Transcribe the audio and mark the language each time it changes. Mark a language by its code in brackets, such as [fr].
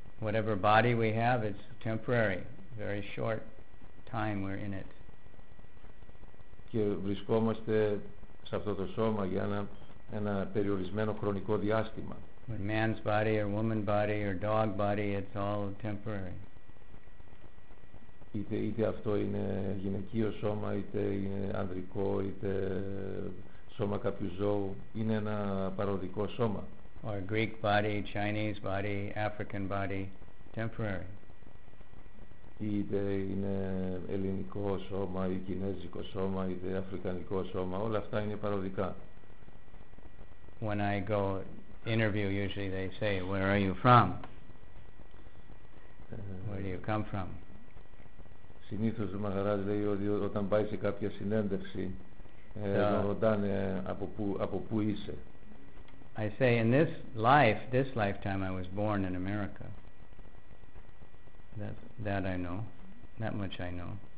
[en] Whatever body we have, it's temporary. Very short time we're in it. [el] Και βρισκόμαστε σε αυτό το σώμα για ένα περιορισμένο χρονικό διάστημα. [en] With man's body or woman body or dog body, it's all temporary. [el] Είτε αυτό είναι γυναικείο σώμα, είτε ανδρικό, είτε σώμα κάποιου ζώου, είναι ένα παροδικό σώμα. [en] Or Greek body, Chinese body, African body, temporary. [el] Είτε είναι ελληνικό σώμα ή κινέζικο σώμα, είτε αφρικανικό σώμα, όλα αυτά είναι παροδικά. [en] When I go interview, usually they say, where are you from? Where do you come from? [el] Συνήθως ο Μαχαράς λέει ότι όταν πάει σε κάποια συνέντευξη, ρωτάνε από πού είσαι. [en] I say, in this life, this lifetime, I was born in America. That I know, that much I know.